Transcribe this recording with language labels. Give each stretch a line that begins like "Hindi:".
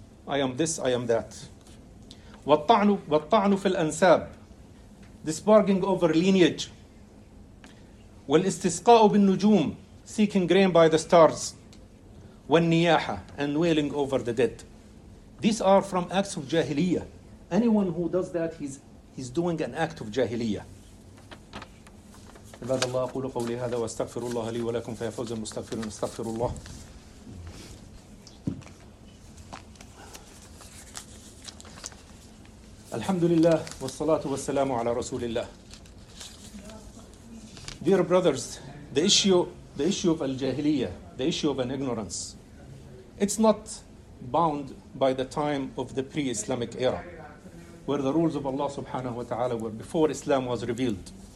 English: I am this, I am that.
Arabic: وَالطَّعْنُ فِي الْأَنْسَابِ,
English: this bargaining over lineage.
Arabic: وَالْإِسْتِسْقَاءُ بِالنُّجُومِ,
English: seeking grain by the stars.
Arabic: وَالنِّيَاحَ,
English: and wailing over the dead. These are from acts of jahiliyyah. Anyone who does that, he's doing an act of jahiliyyah.
Arabic: عباد الله أقول قولي هذا وأستغفر الله لي ولكم فيا فوز المستغفرون استغفر الله. الحمد لله والصلاة والسلام على رسول الله.
English: Dear brothers, the issue of al-jahiliyyah, the issue of an ignorance, it's not bound by the time of the pre-Islamic era, where the rules of Allah subhanahu wa ta'ala were before Islam was revealed.